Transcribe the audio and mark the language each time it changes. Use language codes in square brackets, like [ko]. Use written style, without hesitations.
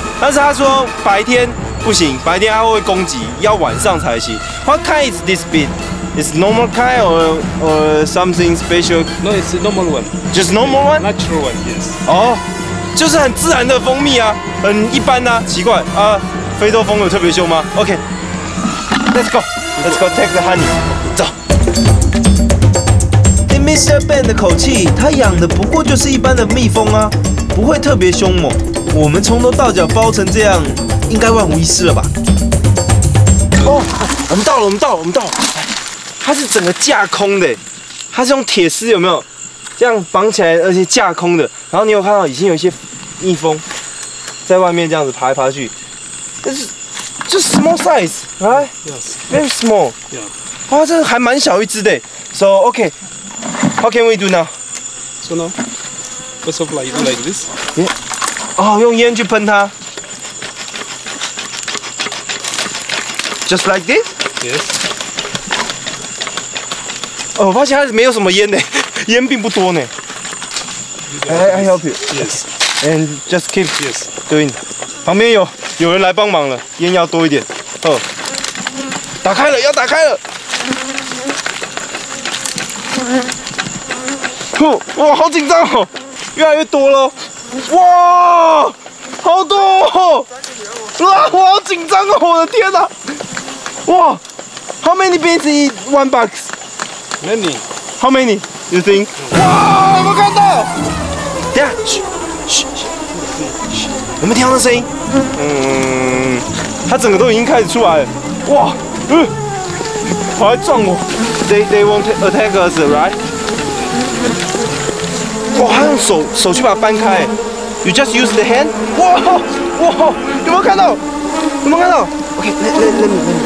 [zh] 但是他说白天不行，白天他会攻击，要晚上才行。 [en] What kind is this bee? Is normal kind or something special? No, it's normal one. Just normal one? Natural one, yes. [zh] 哦、oh, ，就是很自然的蜂蜜啊，很一般呐、啊，奇怪啊。非洲蜂有特别凶吗 [en] ？OK， Let's go， Let's go take the honey， [zh] 走。听 Mr. Ben 的口气，他养的不过就是一般的蜜蜂啊，不会特别凶猛。我们从头到脚包成这样，应该万无一失了吧？哦，我们到了，我们到了，我们到了。它是整个架空的，它是用铁丝有没有？这样绑起来，而且架空的。然后你有看到已经有一些蜜蜂在外面这样子爬来爬去。 [en] It's just small size, right? Yes. Very small. Yeah. [zh] 哇，这还蛮小一只的。 [en] So, okay. How can we do now? So now, first of all, you do like this. [zh] Yeah. 哦，用烟去喷它。 [en] Just like this? Yes. [zh] 哦，我发现它没有什么烟的，烟并不多呢。 [en] I help you. Yes. And just keep yes [zh] doing. 旁边有人来帮忙了，烟要多一点。哦，打开了，要打开了。哇，好紧张哦，越来越多了。哇，好多哦！哇，我好紧张哦，我的天哪！ [en] 哇 ，How many bees eat one box? Many. How many? You think? [zh] 哇，有没有看到？等下，有没有听到那声音？嗯，它整个都已经开始出来了，哇，跑来撞我。 [en] They won't attack us, right? [zh] 哇，他用手去把它搬开。 [en] You just use the hand? [zh] 哇哇，有没有看到？有没有看到 ？ [en] OK, let me.